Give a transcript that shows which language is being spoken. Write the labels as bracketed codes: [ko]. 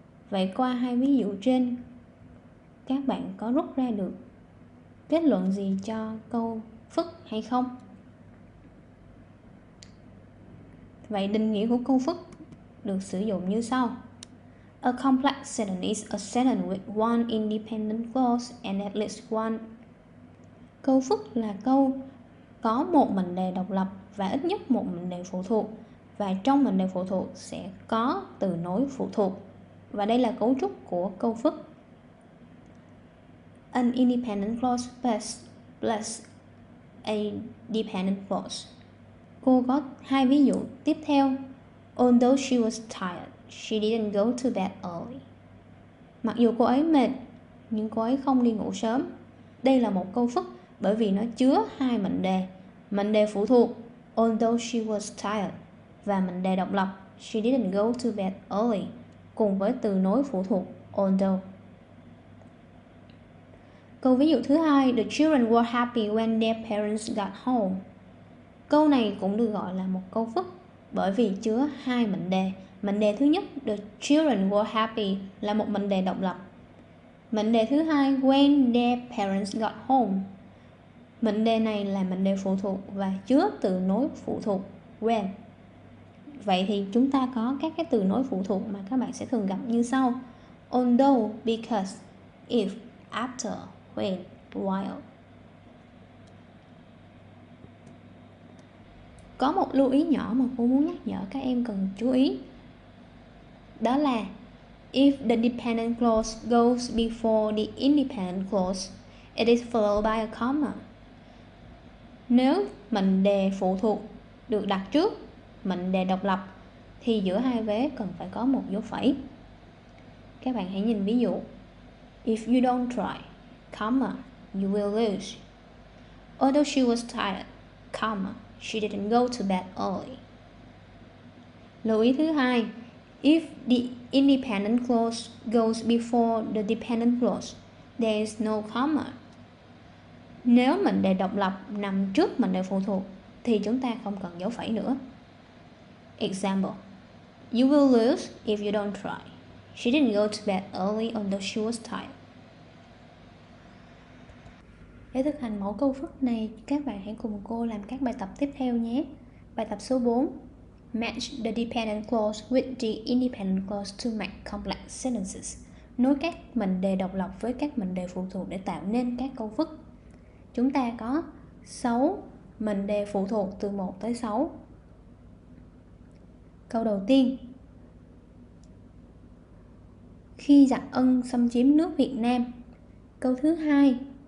[vi] Vậy qua hai ví dụ trên, các bạn có rút ra được kết luận gì cho câu phức hay không? Vậy định nghĩa của câu phức được sử dụng như sau. [en] A complex sentence is a sentence with one independent clause and at least one. [vi] Câu phức là câu có một mệnh đề độc lập và ít nhất một mệnh đề phụ thuộc, và trong mệnh đề phụ thuộc sẽ có từ nối phụ thuộc. Và đây là cấu trúc của câu phức. [en] An independent clause plus a dependent clause. [vi] Cô có hai ví dụ tiếp theo. [en] Although she was tired, she didn't go to bed early. [vi] Mặc dù cô ấy mệt, nhưng cô ấy không đi ngủ sớm. Đây là một câu phức bởi vì nó chứa hai mệnh đề. Mệnh đề phụ thuộc, [en] although she was tired, [vi] và mệnh đề độc lập, [en] she didn't go to bed early, [vi] cùng với từ nối phụ thuộc, although. Câu ví dụ thứ hai, [en] the children were happy when their parents got home. [vi] Câu này cũng được gọi là một câu phức bởi vì chứa hai mệnh đề. Mệnh đề thứ nhất, [en] the children were happy, [vi] là một mệnh đề độc lập. Mệnh đề thứ hai, [en] when their parents got home, [vi] mệnh đề này là mệnh đề phụ thuộc và chứa từ nối phụ thuộc, when. Vậy thì chúng ta có các cái từ nối phụ thuộc mà các bạn sẽ thường gặp như sau. [en] Although, because, if, after, when, while. [vi] Có một lưu ý nhỏ mà cô muốn nhắc nhở các em cần chú ý. Đó là [en] if the dependent clause goes before the independent clause, it is followed by a comma. [vi] Nếu mệnh đề phụ thuộc được đặt trước mệnh đề độc lập thì giữa hai vế cần phải có một dấu phẩy. Các bạn hãy nhìn ví dụ. [en] If you don't try, comma, you will lose. Although she was tired, comma, she didn't go to bed early. [vi] Lưu ý thứ hai, [en] if the independent clause goes before the dependent clause, there is no comma. [vi] Nếu mệnh đề độc lập nằm trước mệnh đề phụ thuộc thì chúng ta không cần dấu phẩy nữa. [en] Example. You will lose if you don't try. She didn't go to bed early although she was tired. [vi] Để thực hành mẫu câu phức này, các bạn hãy cùng cô làm các bài tập tiếp theo nhé. Bài tập số 4. [en] Match the dependent clause with the independent clause to make complex sentences. [vi] Nối các mệnh đề độc lập với các mệnh đề phụ thuộc để tạo nên các câu phức. Chúng ta có 6 mệnh đề phụ thuộc từ 1 tới 6. Câu đầu tiên. Khi giặc Ân xâm chiếm nước Việt Nam. Câu thứ hai.